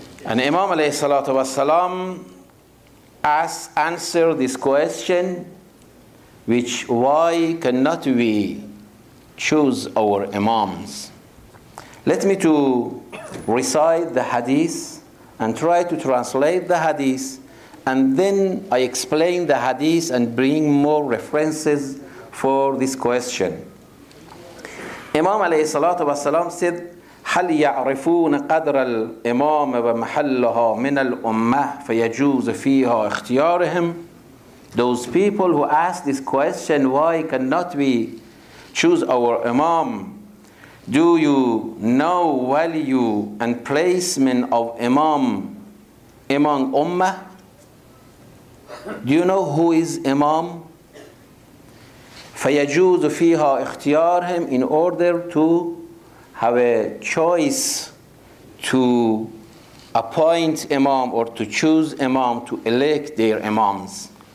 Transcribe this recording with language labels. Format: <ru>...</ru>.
<en>And Imam alayhi salatu wassalam answer this question, which why cannot we choose our imams? Let me to recite the hadith and try to translate the hadith, and then I explain the hadith and bring more references for this question. Imam alayhi salatu wassalam said,</en> <ar>هل يعرفون قدر الإمام ومحلها من الأمة فيجوز فيها اختيارهم?</ar> <en>Those people who ask this question, why cannot we choose our Imam? Do you know value and placement of Imam among Ummah? Do you know who is Imam?</en> <ar>فيجوز فيها اختيارهم,</ar> <en>in order to have a choice to appoint imam or to choose imam, to elect their imams.</en>